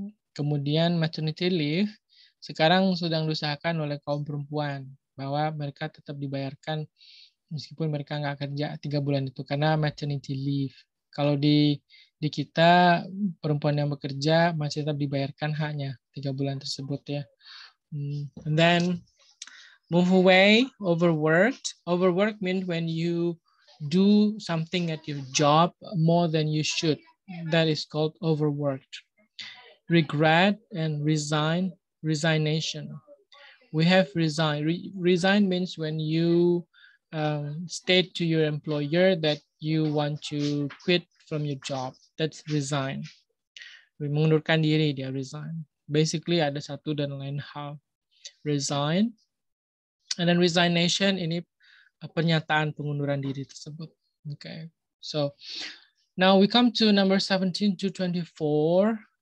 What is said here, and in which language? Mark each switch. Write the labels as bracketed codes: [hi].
[id] Kemudian maternity leave sekarang sedang diusahakan oleh kaum perempuan bahwa mereka tetap dibayarkan meskipun mereka nggak kerja 3 bulan itu karena maternity leave. Kalau di kita perempuan yang bekerja masih tetap dibayarkan haknya 3 bulan tersebut ya. [en] And then move away, overworked. Overworked means when you do something at your job more than you should. That is called overworked. Regret and resign, resignation. We have resign. Resign means when you state to your employer that you want to quit from your job. That's resign. [id] Mengundurkan diri, dia resign. Basically, ada satu dan lain hal. Resign. [en] And then resignation, [id] ini pernyataan pengunduran diri tersebut. Okay. [en] So, now we come to number 17 to 24.